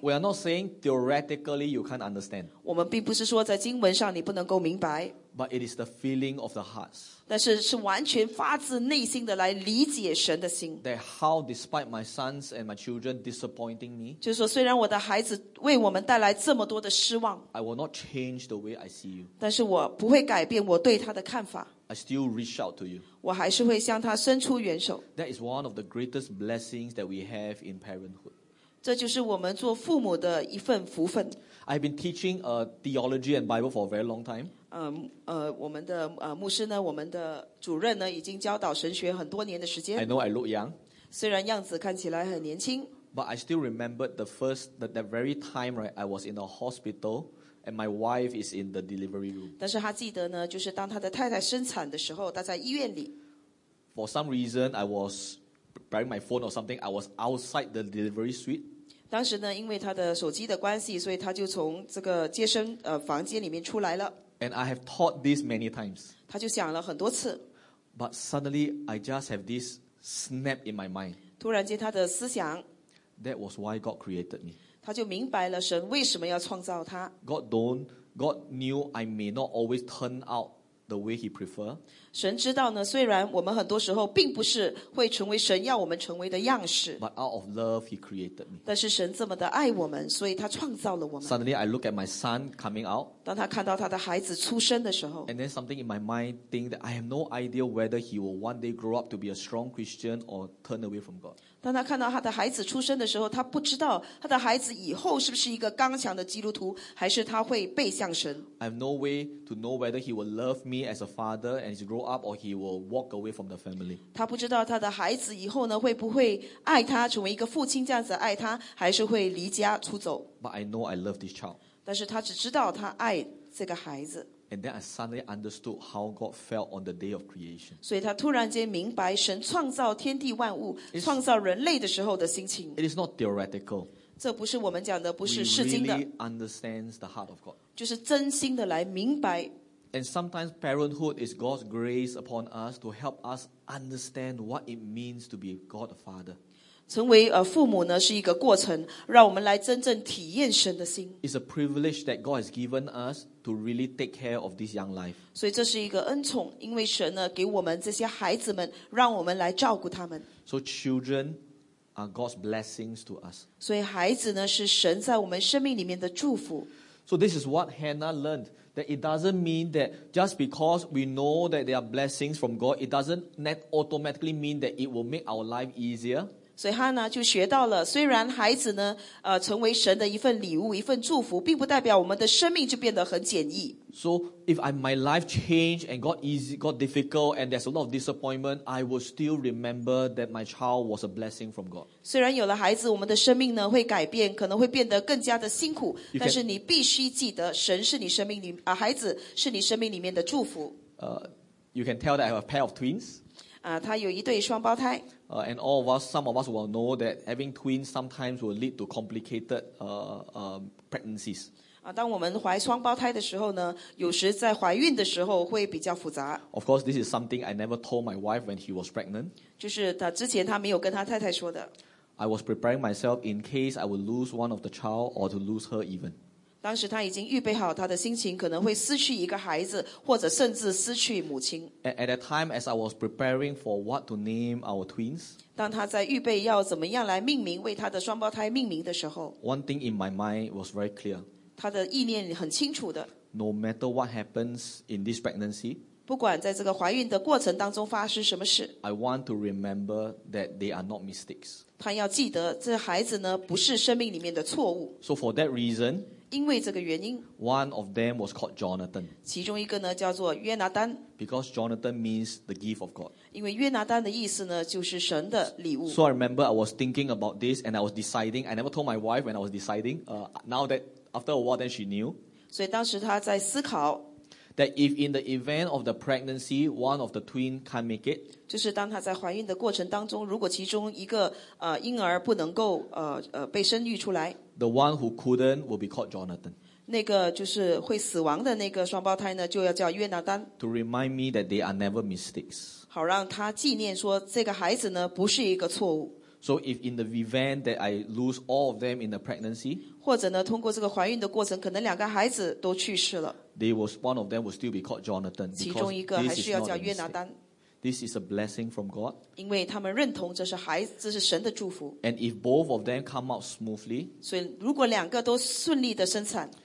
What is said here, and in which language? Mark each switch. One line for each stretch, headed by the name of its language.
English: We are not saying theoretically you can't understand.
Chinese: 我们并不是说在经文上你不能够明白。
English: But it is the feeling of the hearts.
Chinese: 但是是完全发自内心的来理解神的心。
English: That how despite my sons and my children disappointing me.
Chinese: 就是说虽然我的孩子为我们带来这么多的失望。
English: I will not change the way I see you.
Chinese: 但是我不会改变我对他的看法。
English: I still reach out to you.
Chinese: 我还是会向他伸出援手。
English: That is one of the greatest blessings that we have in parenthood.
Chinese: 这就是我们做父母的一份福分。
English: I've been teaching theology and Bible for a very long time.
Chinese: 我们的牧师呢,我们的主任呢,已经教导神学很多年的时间。
English: I know I look young.
Chinese: 虽然样子看起来很年轻。
English: But I still remember the first, that very time, right, I was in a hospital, and my wife is in the delivery room.
Chinese: 但是他记得呢, 就是当他的太太生产的时候,他在医院里,
English: For some reason, I was preparing my phone or something, I was outside the delivery suite.
Chinese: 当时呢, 因为他的手机的关系, 所以他就从这个接生, 房间里面出来了。
English: And I have thought this many times.
Chinese: 他就想了很多次。
English: But suddenly, I just have this snap in my mind.
Chinese: 突然间他的思想,
English: That was why God created me.
Chinese: 他就明白了神为什么要创造他。
English: God knew I may not always turn out the way He preferred.
Chinese: 神知道呢, 虽然我们很多时候并不是会成为神要我们成为的样式。
English: But out of love, He created me.
Chinese: 但是神这么的爱我们, 所以他创造了我们。
English: Suddenly, I look at my son coming out.
Chinese: 当他看到他的孩子出生的时候,
English: And then something in my mind think that I have no idea whether he will one day grow up to be a strong Christian or turn away from God.
Chinese: 当他看到他的孩子出生的时候, 他不知道他的孩子以后是不是一个刚强的基督徒, 还是他会背向神。
English: I have no way to know whether he will love me as a father and he grow up or he will walk away from the family.
Chinese: 他不知道他的孩子以后呢, 会不会爱他, 成为一个父亲这样子爱他, 还是会离家出走。
English: But I know I love this child.
Chinese: 但是他只知道他爱这个孩子。
English: And then I suddenly understood how God felt on the day of creation.
Chinese: 所以他突然间明白神创造天地万物, 创造人类的时候的心情。
English: It is not theoretical.
Chinese: 这不是我们讲的不是释经的。
English: We really understand the heart of God.
Chinese: 就是真心的来明白。
English: And sometimes parenthood is God's grace upon us to help us understand what it means to be God the Father.
Chinese: 成为父母呢, 是一个过程, 让我们来真正体验神的心。
English: It's a privilege that God has given us to really take care of this young life.
Chinese: 所以这是一个恩宠, 因为神呢, 给我们这些孩子们, 让我们来照顾他们。
English: So children are God's blessings to us.
Chinese: 所以孩子呢, 是神在我们生命里面的祝福。
English: So this is what Hannah learned, that it doesn't mean that just because we know that there are blessings from God, it doesn't automatically mean that it will make our life easier.
Chinese: 所以哈娜就学到了, 虽然孩子呢, 成为神的一份礼物, 一份祝福, 并不代表我们的生命就变得很简易。
English: So if my life changed and got difficult and there's a lot of disappointment, I will still remember that my child was a blessing from God.
Chinese: 虽然有了孩子, 我们的生命呢, 会改变, 可能会变得更加的辛苦, 但是你必须记得神是你生命里, 孩子是你生命里面的祝福。
English: You can tell that I have a pair of twins.
Chinese: 他有一对双胞胎。
English: And all of us, some of us will know that having twins sometimes will lead to complicated pregnancies.
Chinese: 当我们怀双胞胎的时候呢, 有时在怀孕的时候会比较复杂。
English: Of course, this is something I never told my wife when she was pregnant.
Chinese: 就是之前她没有跟她太太说的。
English: I was preparing myself in case I would lose one of the child or to lose her even.
Chinese: 当时她已经预备好她的心情可能会失去一个孩子或者甚至失去母亲。
English: At that time, as I was preparing for what to name our twins,
Chinese: 当她在预备要怎么样来命名为她的双胞胎命名的时候,
English: one thing in my mind was very clear.
Chinese: 她的意念很清楚的,
English: no matter what happens in this pregnancy,
Chinese: 不管在这个怀孕的过程当中发生什么事,
English: I want to remember that they are not mistakes.
Chinese: 她要记得这孩子呢, 不是生命里面的错误。
English: So for that reason,
Chinese: 因为这个原因,
English: one of them was called Jonathan.
Chinese: 其中一个呢, 叫做约拿丹,
English: because Jonathan means the gift of God.
Chinese: 因为约拿丹的意思呢, 就是神的礼物。
English: So I remember I was thinking about this and I was deciding. I never told my wife when I was deciding. Now that after a while, then she knew.
Chinese: 所以当时她在思考,
English: that if in the event of the pregnancy, one of the twins can't make it,
Chinese: 就是当她在怀孕的过程当中, 如果其中一个, 婴儿不能够, 被生育出来,
English: the one who couldn't will be called Jonathan.
Chinese: 那个就是会死亡的那个双胞胎呢, 就要叫约拿丹,
English: to remind me that they are never mistakes.
Chinese: 好让他纪念说这个孩子呢, 不是一个错误。
English: So if in the event that I lose all of them in the pregnancy,
Chinese: 或者呢, 通过这个怀孕的过程, 可能两个孩子都去世了,
English: they will, one of them will still be called Jonathan.
Chinese: 其中一个还是要叫约拿丹。
English: This is a blessing from God.
Chinese: 因为他们认同这是神的祝福。
English: And if both of them come out smoothly,
Chinese: 所以如果两个都顺利的生产,